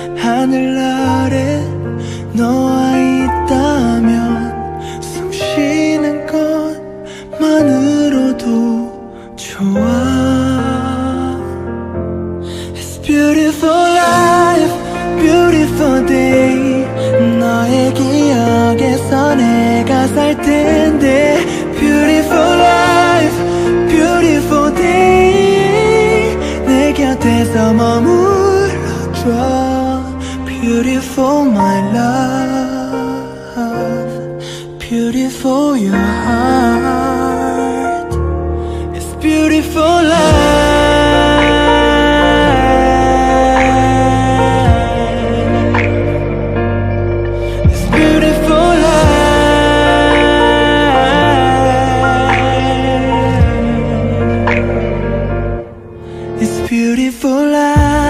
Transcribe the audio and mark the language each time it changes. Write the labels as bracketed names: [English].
[Korean] 하늘 아래 너와 있다면 숨 쉬는 것만으로도 좋아. [English] It's beautiful life, beautiful day. [Korean] 너의 기억에서 내가 살 텐데. [English] Beautiful life, beautiful day. [Korean] 내 곁에서 머물러줘. [English] Beautiful my love, beautiful your heart, it's beautiful life, it's beautiful life, it's beautiful life.